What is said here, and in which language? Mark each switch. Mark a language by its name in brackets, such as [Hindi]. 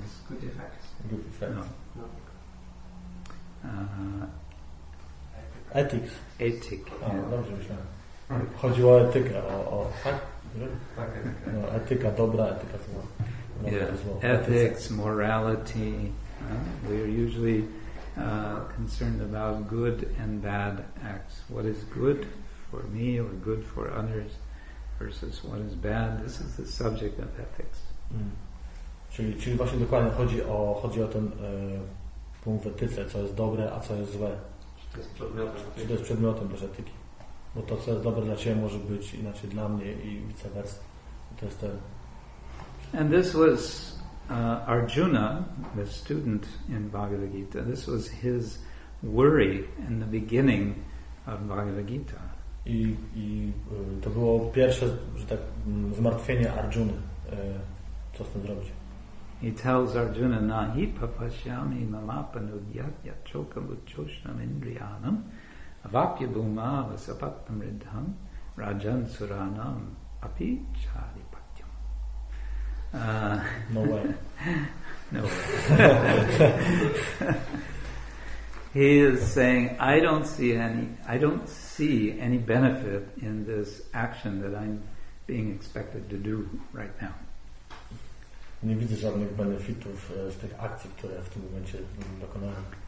[English] Good effects. No. Ethics. [Polish] Etyk. Dobrze myślałem. Chodziło o etykę, tak? No, etyka dobra, etyka zła. [English] Yeah. Ethics, morality. We are usually concerned about good and bad acts. What is good for me or good for others versus what is bad? This is the subject of ethics. [Polish] Czyli właśnie dokładnie chodzi o ten punkt w etyce, co jest dobre, a co jest złe. Czy to jest przedmiotem też etyki? Bo to, co jest dobre dla Ciebie, może być inaczej dla mnie i vice versa. To jest to. [English] And this was Arjuna, the student in Bhagavad Gita. This was his worry in the beginning of Bhagavad Gita. [Polish] I to było pierwsze, że tak, zmartwienie Arjuny. Co z tym zrobić? [English] He tells Arjuna, [Sanskrit] Nahi papasyami mamapanudyatya chokamuchoshnam indriyanam vapyabhuma vasapattam riddham rajan suranam api chari. [English] No way. He is saying, I don't see any benefit in this action that I'm being expected to do right now. [Polish] Nie widzę żadnych benefitów z tych akcji, które w tym momencie dokonałem.